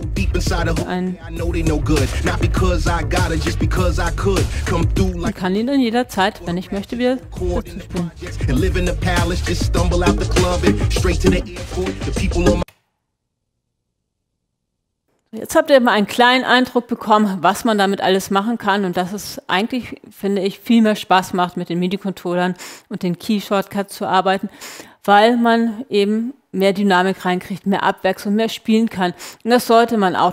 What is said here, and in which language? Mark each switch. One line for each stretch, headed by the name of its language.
English: Deep inside of her, I know they no good. Not because I got it, just because I could. Come through like...
German: Kann ihn dann jederzeit, wenn ich möchte, wieder dazuspielen.
English: Live in the palace, just stumble out the club and straight to the airport. The people on my...
German: Jetzt habt ihr mal einen kleinen Eindruck bekommen, was man damit alles machen kann und dass es eigentlich, finde ich, viel mehr Spaß macht, mit den MIDI-Controllern und den Key-Shortcuts zu arbeiten, weil man eben mehr Dynamik reinkriegt, mehr Abwechslung, mehr spielen kann. Und das sollte man auch.